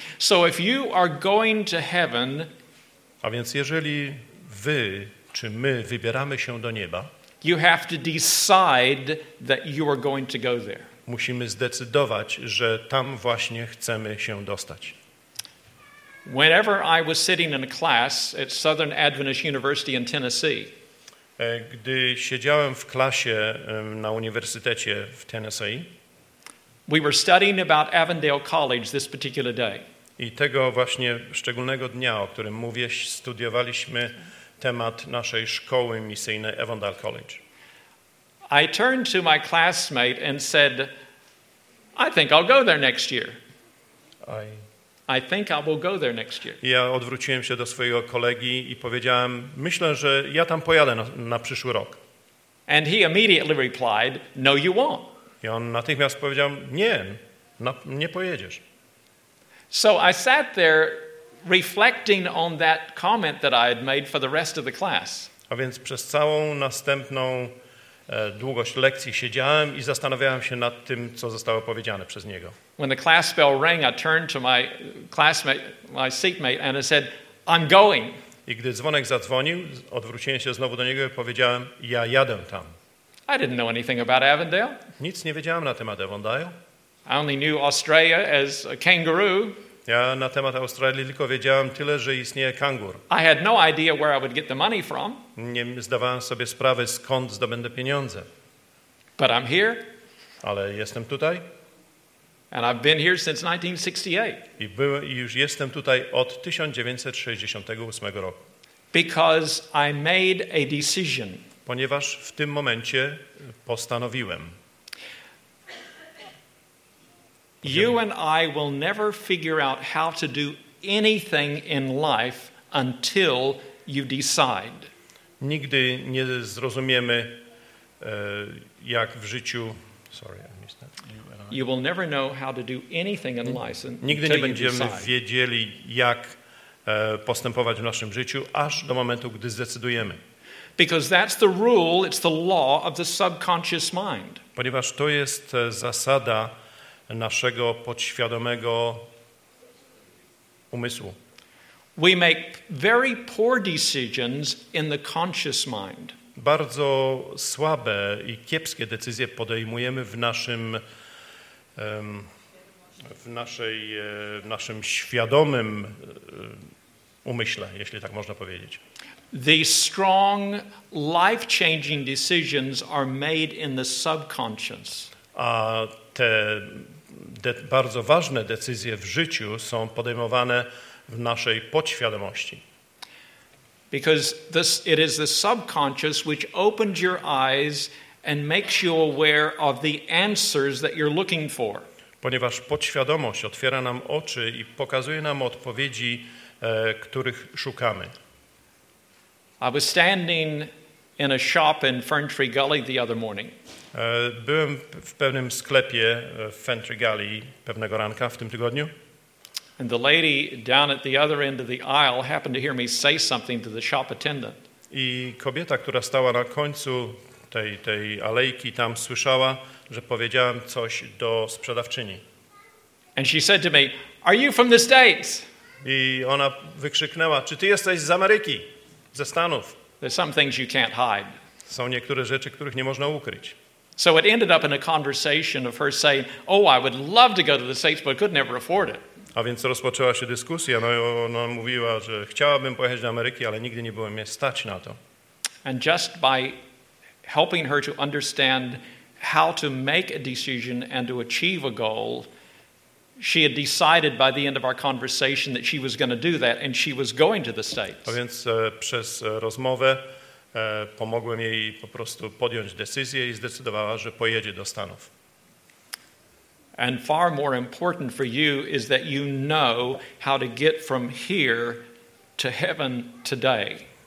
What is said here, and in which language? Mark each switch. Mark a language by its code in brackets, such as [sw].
[en] So if you are going to heaven, [pl] a więc jeżeli wy czy my wybieramy się do nieba, [en] you have to decide that you are going to go there. [pl] Musimy zdecydować, że tam właśnie chcemy się dostać. [en] Whenever I was sitting in a class at Southern Adventist University in Tennessee. [pl] Gdy siedziałem w klasie na uniwersytecie w Tennessee. [en] We were studying about Avondale College this particular day. [pl] I tego właśnie szczególnego dnia, o którym mówię, studiowaliśmy temat naszej szkoły misyjnej Avondale College. [en] I turned to my classmate and said, I think I'll go there next year. I think I will go there next year. [pl] Ja odwróciłem się do swojego kolegi i powiedziałem, myślę, że ja tam pojadę na przyszły rok. [en] And he immediately replied, no you won't. [pl] I on natychmiast powiedział, nie, no, nie pojedziesz. [en] So I sat there reflecting on that comment that I had made for the rest of the class. [pl] A więc przez całą następną długość lekcji siedziałem i zastanawiałem się nad tym, co zostało powiedziane przez niego. [en] When the class bell rang, I turned to my classmate, my seatmate, and I said, I'm going. [pl] I gdy dzwonek zadzwonił, odwróciłem się znowu do niego i powiedziałem, ja jadę tam. [en] I didn't know anything about Avondale. [pl] Nic nie wiedziałem na temat Avondale. [en] I only knew Australia as a kangaroo. [pl] Ja na temat Australii tylko wiedziałem tyle, że istnieje kangur. [en] I had no idea where I would get the money from. [pl] Nie zdawałem sobie sprawy, skąd zdobędę pieniądze. [en] But I'm here. [pl] Ale jestem tutaj. [en] And I've been here since 1968. [pl] I już jestem tutaj od 1968 roku. [en] Because I made a decision. [pl] Ponieważ w tym momencie postanowiłem. [en] You and I will never figure out how to do anything in life until you decide. [pl] Nigdy nie zrozumiemy jak w życiu. [en] Sorry, I missed that. You will never know how to do anything in life until [pl] nigdy nie będziemy wiedzieli jak postępować w naszym życiu aż do momentu gdy zdecydujemy. [en] Because that's the rule, it's the law of the subconscious mind. [pl] Ponieważ to jest zasada naszego podświadomego umysłu. [en] We make very poor decisions in the conscious mind. [pl] Bardzo słabe i kiepskie decyzje podejmujemy w naszym w naszym świadomym umyśle, jeśli tak można powiedzieć. [en] The strong life-changing decisions are made in the subconscious. [pl] A te bardzo ważne decyzje w życiu są podejmowane w naszej podświadomości. [en] Because it is the subconscious which opens your eyes and makes you aware of the answers that you're looking for. [pl] Ponieważ podświadomość otwiera nam oczy i pokazuje nam odpowiedzi, których szukamy. [en] I was standing in a shop in Fern Tree Gully the other morning. [pl] Byłem w pewnym sklepie w Fern Tree Gully pewnego ranka w tym tygodniu. [en] And the lady down at the other end of the aisle happened to hear me say something to the shop attendant. [pl] I kobieta, która stała na końcu tej alejki, tam słyszała, że powiedziałem coś do sprzedawczyni. [en] And she said to me, "Are you from the States?" [pl] I ona wykrzyknęła, "Czy ty jesteś z Ameryki?" Ze Stanów. [en] There's some things you can't hide. [pl] Są niektóre rzeczy, których nie można ukryć. [en] So it ended up in a conversation of her saying, "Oh, I would love to go to the States, but could never afford it." [pl] A więc rozpoczęła się dyskusja. No, ona mówiła, że chciałabym pojechać do Ameryki, ale nigdy nie było mnie stać na to. [en] And just by helping her to understand how to make a decision and to achieve a goal, she had decided by the end of our conversation that she was going to do that and she was going to the States. [pl] A więc przez rozmowę pomogłem jej po prostu podjąć decyzję i zdecydowała, że pojedzie do Stanów. [en] And far more important for you is that you know how to get from here to heaven today.